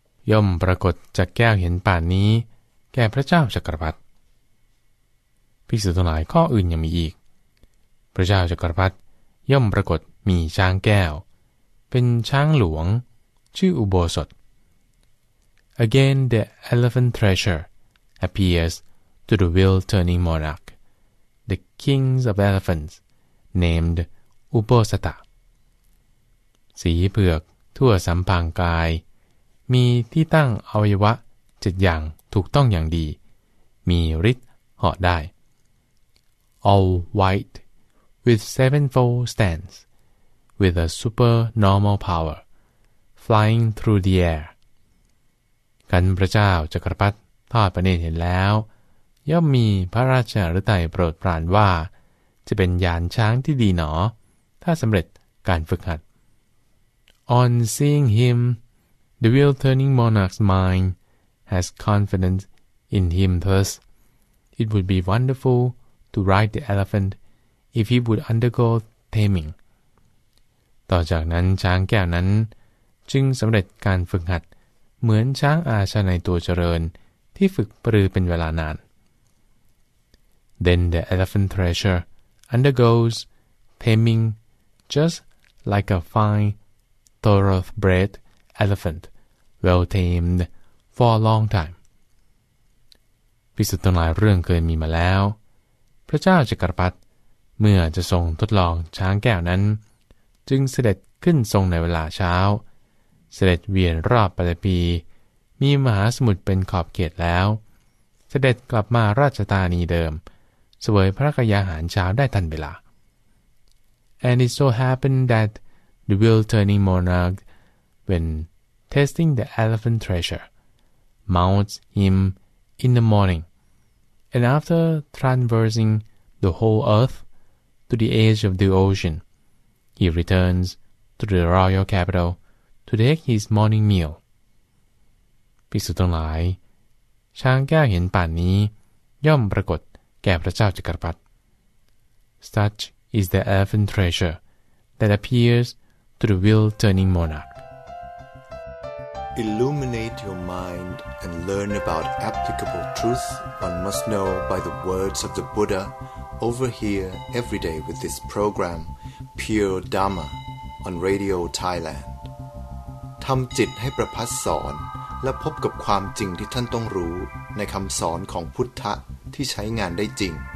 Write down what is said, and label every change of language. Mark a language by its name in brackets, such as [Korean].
[Thai] ย่อมปรากฏจากแก้วเห็นป่านนี้แก่พระเจ้าจักรพรรดิภิกษุทั้งหลายข้ออื่นยังมีอีกพระเจ้าจักรพรรดิย่อมปรากฏมีช้างแก้วเป็นช้างหลวงชื่ออุโบสถ [English] Again the elephant treasure appears to the wheel-turning monarch, the king of elephants, named Ubosata. [Thai] สีเผือกทั่วสัมพังกายมีที่ตั้งอวัยวะ7อย่างถูกต้องอย่างดีมีฤทธิ์เหาะได้ [English] All white with sevenfold stance with a super normal power flying through the air [Thai] กันพระเจ้าจักรพรรดิทอดพระเนตรเห็นแล้วย่อมมีพระราชฤทัยโปรดปรานว่าจะเป็นยานช้างที่ดีหนอถ้าสำเร็จการฝึกหัด [English] On seeing himThe wheel-turning monarch's mind has confidence in him thus. It would be wonderful to ride the elephant if he would undergo taming. [Thai] ต่อจากนั้นช้างแก้วนั้นจึงสำเร็จการฝึกหัดเหมือนช้างอาชาในตัวเจริญที่ฝึกปรือเป็นเวลานาน [English] Then the elephant treasure undergoes taming just like a fine thoroughbredElephant, well tamed for a long time. [Thai] พิสุทธิ์ต่างๆเรื่องเคยมีมาแล้วพระเจ้าจักรพรรดิเมื่อจะทรงทดลองช้างแก้วนั้นจึงเสด็จขึ้นทรงในเวลาเช้าเสด็จเวียนรอบปฏิปีมีมหาสมุทรเป็นขอบเขตแล้วเสด็จกลับมาราชธานีเดิมเสวยพระกยาหารเช้าได้ทันเวลา [English] And it so happened that the wheel-turning monarchWhen testing the elephant treasure, mounts him in the morning, and after traversing the whole earth to the edge of the ocean, he returns to the royal capital to take his morning meal. [Thai] ภิกษุทั้งหลายช้างแก้วเห็นป่านนี้ย่อมปรากฏแก่พระเจ้าจักรพรรดิ [English] Such is the elephant treasure that appears to the wheel-turning monarch. Illuminate your mind and learn about applicable truth one must know by the words of the Buddha over here every day with this program Pure Dharma on Radio Thailand [Thai] ทำจิตให้ประพัสสอนและพบกับความจริงที่ท่านต้องรู้ในคำสอนของพุทธะที่ใช้งานได้จริง